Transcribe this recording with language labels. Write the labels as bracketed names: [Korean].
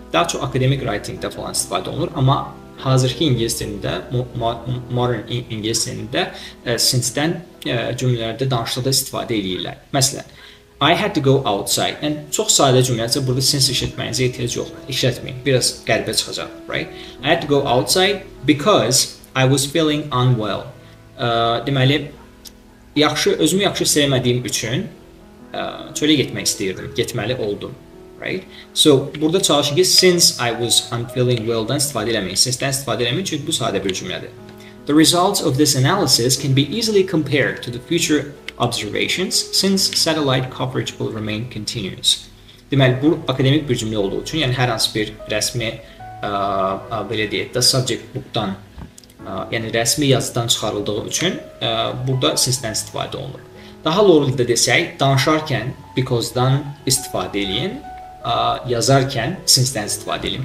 [Azerbaijani] Daha çox akademik writingdə falan istifadə olunur, amma hazırki ingilis dilində, modern ingilis dilində since-dən cümlələrdə danışıqda istifadə edirlər. Məsələn, [English] I had to go outside. [Azerbaijani] Yəni, çox sadə cümlədirsə, burada since işlətməyinizə ehtiyac yox. İşlətməyin, biraz qəribə çıxacaq, right? [English] I had to go outside because I was feeling unwell. [Azerbaijani] Deməli, özümü yaxşı sevmədiyim üçün çölə getmək istəyirdim, getməli oldum, right? So, burada çalışın ki, [English] since I was unfeeling well- [Azerbaijani] dən istifadə eləməyin. Since-dən istifadə eləməyin, çünki bu sadə bir cümlədir. [English] The results of this analysis can be easily compared to the future observations since satellite coverage will remain continuous. [Azerbaijani] Deməli, bu akademik bir cümlə olduğu üçün, yəni hər hansı bir rəsmi belə deyək, the subject book-dan yəni rəsmi yazıdan çıxarıldığı üçün burada since-dən istifadə olunur. Daha lorulda desək, danışarkən because-dan istifadə edin, yazarkən since-dən istifadə edin.